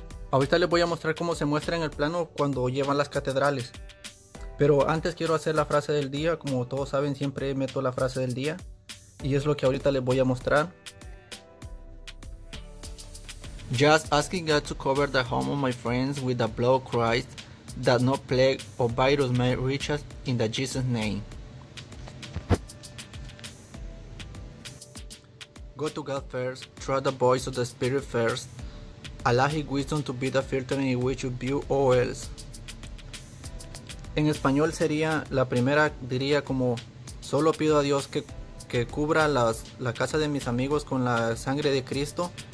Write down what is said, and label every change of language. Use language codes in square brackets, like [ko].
[es] Ahorita les voy a mostrar cómo se muestra en el plano cuando llevan las catedrales. Pero antes quiero hacer la frase del día. Como todos saben, siempre meto la frase del día. Y es lo que ahorita les voy a mostrar. [en] Just asking God to cover the home of my friends with the blood of Christ, that no plague or virus may reach us in the Jesus name. Go to God first, trust the voice of the Spirit first, allow His wisdom to be the filter in which you view all else. [es] En español sería, la primera diría como: solo pido a Dios que cubra la casa de mis amigos con la sangre de Cristo.